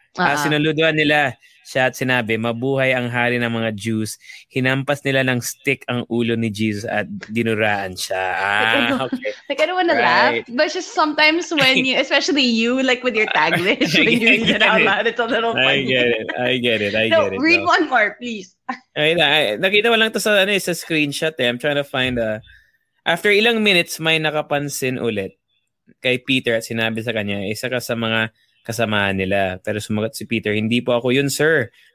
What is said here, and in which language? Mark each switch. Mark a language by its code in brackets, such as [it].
[tl] Sinuluduhan nila siya at sinabi, mabuhay ang hari ng mga Jews. Hinampas nila ng stick ang ulo ni Jesus at dinuraan siya. [en] Like, I don't want to laugh. But just sometimes when you, especially you, like with your Taglish, when you read it out loud, it's a little funny. I get it. Read one more, please. [tl] Nakita mo lang ito sa screenshot. [en] I'm trying to find a... [tl] After ilang minutes, may nakapansin ulit kay Peter at sinabi sa kanya, isa ka sa mga... kasama nila. Pero sumagot si Peter, hindi po ako yun, sir.